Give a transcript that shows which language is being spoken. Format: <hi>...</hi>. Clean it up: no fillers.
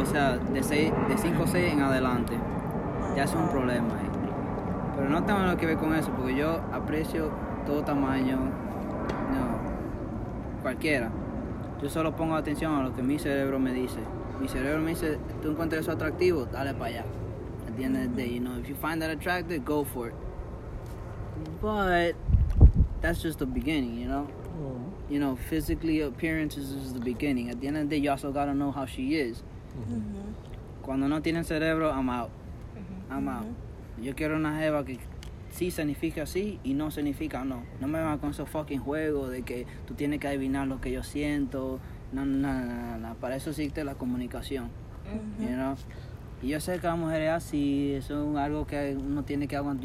<es>O sea, de 5'6 en adelante. Ya es un problema. Pero no tengo nada que ver con eso, porque yo aprecio todo tamaño. No, cualquiera. Yo solo pongo atención a lo que mi cerebro me dice. Mi cerebro me dice, tú encuentras eso atractivo, dale para allá.</es> <en>At the end of the day, you know, if you find that attractive, go for it. But that's just the beginning, you know? Mm-hmm. You know, physically, appearance is just the beginning. At the end of the day, you also gotta know how she is.</en> <es>Mm-hmm. Cuando no tienen cerebro, I'm out. Mm-hmm. I'm out. Mm-hmm. Yo quiero una jeva que sí significa sí y no significa no. No me va con esos fucking juegos de que tú tienes que adivinar lo que yo siento. No, para eso existe la comunicación. Uh-huh. You know? Y yo sé que la mujer es así, eso es algo que uno tiene que aguantar.</es>